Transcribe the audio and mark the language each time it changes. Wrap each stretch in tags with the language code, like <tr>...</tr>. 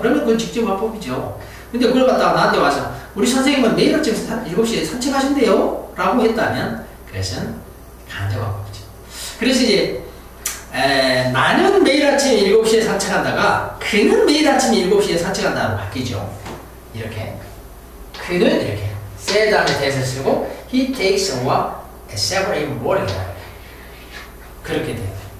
<ko>그러면 그건 직접 화법이죠. 근데 그걸 갖다가 나한테 와서 우리 선생님은 매일 아침 7시에 산책하신대요 라고 했다면 그것은 간접 화법이죠. 그래서 이제 나는 매일 아침 7시에 산책한다가 그는 매일 아침 7시에 산책한다로 바뀌죠. 이렇게 그는 이렇게</ko> <en>said</en> <ko>다음에 대사 쓰고</ko> <en>he takes a walk at 7 a.m.</en> <ko>morning 그렇게 돼요.</ko>